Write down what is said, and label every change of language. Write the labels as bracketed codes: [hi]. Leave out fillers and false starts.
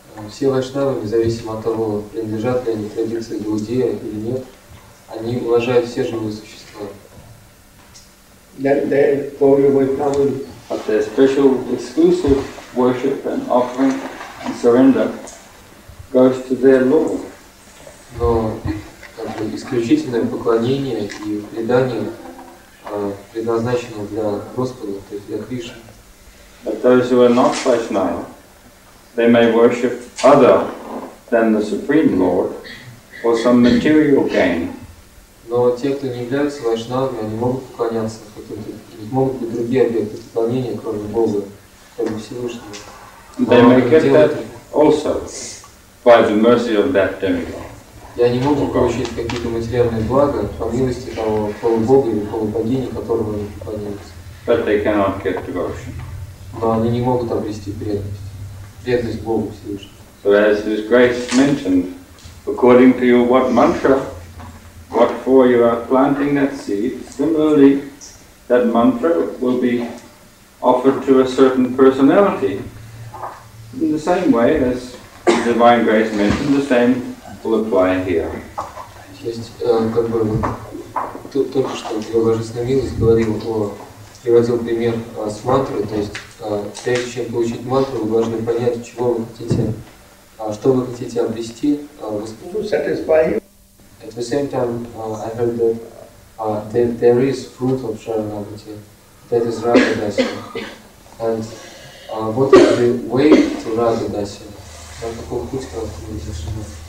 [ru] Все вайшнавы, независимо от того, принадлежат ли они традиции иудея или нет, они уважают все живые существа. [en] But their special exclusive worship and offering and surrender goes to their Lord. [ru] Но как бы, исключительное поклонение и предание предназначено для Господа, то есть для Кришны. [en] But those who are not Vaishnava, they may worship other than the Supreme Lord for some material gain. [ru] Но те, кто не являются вайшнавами, они могут поклоняться каким-то, могут быть другие объекты поклонения, кроме Бога, кроме Всевышнего. [en] They may get that also by the mercy of that demigod. [ru] И они могут получить какие-то материальные блага по милости того полубога или полубогини, которому они поклоняются. [en] But they cannot get devotion. [ru] Но они не могут обрести преданность. Преданность Богу Всевышнему. [en] So as His Grace mentioned, according to you, what mantra, what for you are planting that seed, similarly, that mantra will be offered to a certain personality. In the same way as Divine Grace mentioned, the same will apply here. [ru] Есть, как бы, только что Его Божественная Милость говорил о приводил пример с мантрой, то есть прежде чем получить мантру, вы должны понять, чего вы хотите, что вы хотите обрести. [en] At the same time, I heard that there is fruit of Sharanagati, that is Radha-dasya. And what is the way to Radha-dasya?